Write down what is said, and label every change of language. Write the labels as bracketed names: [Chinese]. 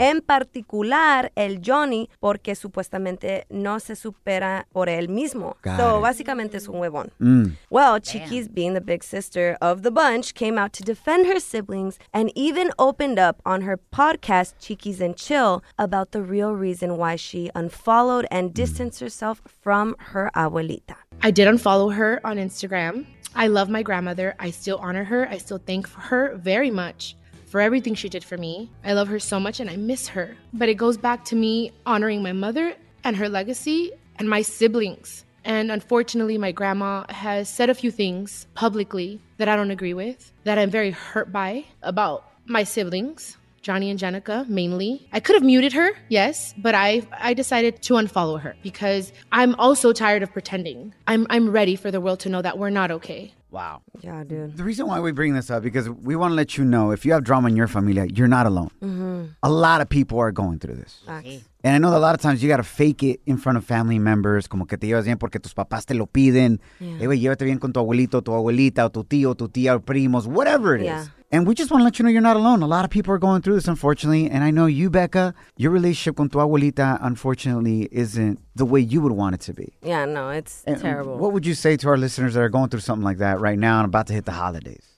[Spanish] En particular, el Johnny, porque supuestamente no se supera por él mismo. [English] Got so, it. [Spanish] Básicamente es un huevón. Mm. [English] Well, Chiquis, damn, being the big sister of the bunch, came out to defend her siblings and even opened up on her podcast, Chiquis and Chill, about the real reason why she unfollowed and distanced herself from her abuelita. I did unfollow her on Instagram. I love my grandmother. I still honor her. I still thank her very much for everything she did for me. I love her so much and I miss her. But it goes back to me honoring my mother and her legacy and my siblings. And unfortunately, my grandma has said a few things publicly that I don't agree with, that I'm very hurt by about my siblings, Johnny and Jenica, mainly. I could have muted her, yes, but I decided to unfollow her because I'm also tired of pretending. I'm ready for the world to know that we're not okay. Wow. Yeah, dude. The reason why we bring this up, because we want to let you know, if you have drama in your familia, you're not alone. Mm-hmm. A lot of people are going through this. Facts. And I know that a lot of times you got to fake it in front of family members. [Spanish] Como que te llevas bien porque tus papás te lo piden. [English] Yeah. [Spanish] Hey, llévate bien con tu abuelito, tu abuelita, o tu tío, tu tía, o primos, [English] whatever it is. And we just want to let you know you're not alone. A lot of people are going through this, unfortunately. And I know you, Becca, your relationship [Spanish] con tu abuelita, [English] unfortunately, isn't the way you would want it to be. Yeah, no, it's terrible. What would you say to our listeners that are going through something like that right now and about to hit the holidays?